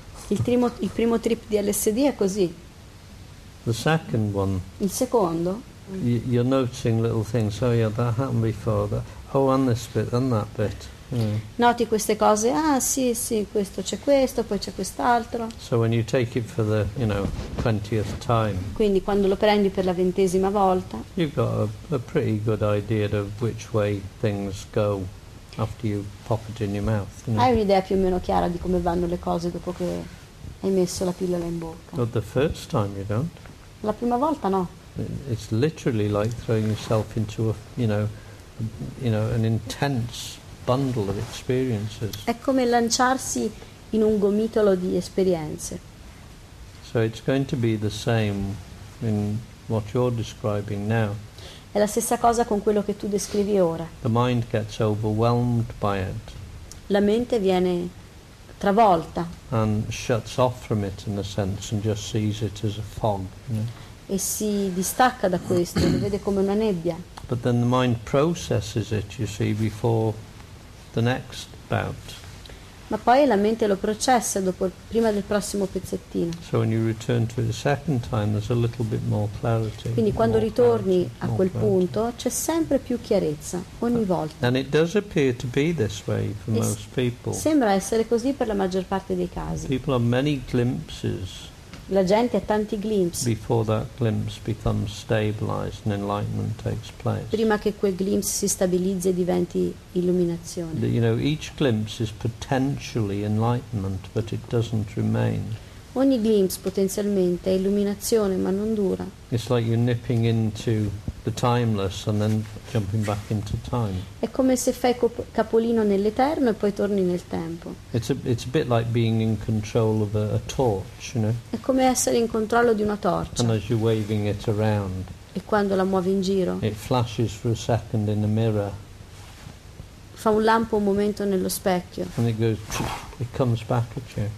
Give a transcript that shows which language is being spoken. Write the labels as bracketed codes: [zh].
[it] Il primo trip di LSD è così. [en] The second one. [it] Il secondo. [en] You're noting little things. Oh yeah, that happened before. That. Oh, and this bit, and that bit. Mm. [it] Noti queste cose, ah sì sì, questo c'è questo, poi c'è quest'altro. [en] So when you take it for the, you know, 20th time. [it] Quindi quando lo prendi per la ventesima volta. [en] You've got a pretty good idea of which way things go after you pop it in your mouth. You know? [it] Hai un'idea più o meno chiara di come vanno le cose dopo che hai messo la pillola in bocca. [en] But the first time you don't. [it] La prima volta no. [en] It's literally like throwing yourself into a, you know, an intense bundle of experiences. [it] È come lanciarsi in un gomitolo di esperienze. [en] So it's going to be the same in what you're describing now. [it] È la stessa cosa con quello che tu descrivi ora. [en] The mind gets overwhelmed by it. [it] La mente viene travolta. [en] And shuts off from it in a sense and just sees it as a fog. You know? [it] E si distacca da questo, lo vede come una nebbia. [en] But then the mind processes it, you see, before the next bout. [it] Ma poi la mente lo processa dopo prima del prossimo pezzettino. [en] So when you return to it a second time, there's a little bit more clarity. [it] Quindi quando [en] more [it] ritorni [en] clarity, [it] a quel punto, c'è sempre più chiarezza ogni volta. [en] And it does appear to be this way for most people. [it] Sembra essere così per la maggior parte dei casi. [en] People have many glimpses. [it] La gente ha tanti glimpse. [en] Before that glimpse becomes stabilized and enlightenment takes place. [it] Prima che quel glimpse si stabilizzi e diventi illuminazione. [en] You know, each glimpse is potentially enlightenment, but it doesn't remain. [it] Ogni glimpse potenzialmente è illuminazione, ma non dura. [en] It's like you're nipping into the timeless and then jumping back into time. [it] È come se fai capolino nell'eterno e poi torni nel tempo. [en] It's a bit like being in control of a torch, you know. [it] È come essere in controllo di una torcia. [en] And as you're waving it around. [it] E quando la muovi in giro. [en] It flashes for a second in the mirror. [it] fa un lampo un momento nello specchio. [en] And it goes, phew, it comes back at you.